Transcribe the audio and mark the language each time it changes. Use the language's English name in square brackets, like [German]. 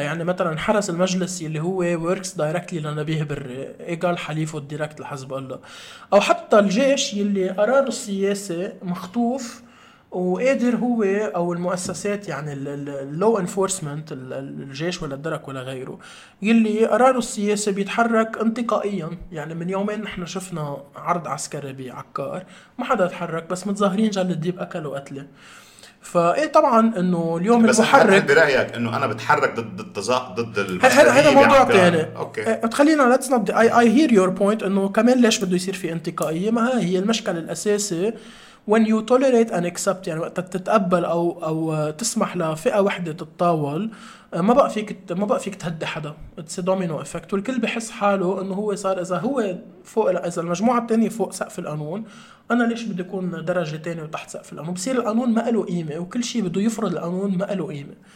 [Arabic] يعني مثلا حرس المجلس اللي هو وركس دايركتلي لنبيه بري، قال حليفه الديركت لحزب الله، او حتى الجيش اللي قرار السياسي مخطوف وقادر هو او المؤسسات يعني اللو انفورسمنت الجيش ولا الدرك ولا غيره يلي قراره السياسي بيتحرك انتقائيا. يعني من يومين نحن شفنا عرض عسكري بعكار، ما حدا تحرك بس متظاهرين جل الديب اكل وقتله. فايه طبعا انه اليوم بس المحرك برايك انه انا بتحرك ضد هذا موضوع ثاني. اوكي تخلينا [English] let's not I hear your point. [Arabic] انه كمان ليش بده يصير في انتقائيه؟ ما هي المشكلة الاساسي [English] when you tolerate and accept، [Arabic] يعني وقت تتقبل او تسمح لفئه وحده تتطاول، ما بقى فيك تهدي حدا. [English] It's a domino effect. [Arabic] والكل بحس حاله انه هو صار اذا هو فوق، اذا المجموعه الثانيه فوق سقف القانون، انا ليش بدي اكون درجه ثانيه وتحت سقف القانون؟ بصير القانون ما له قيمه وكل شيء بده يفرض القانون ما له قيمه.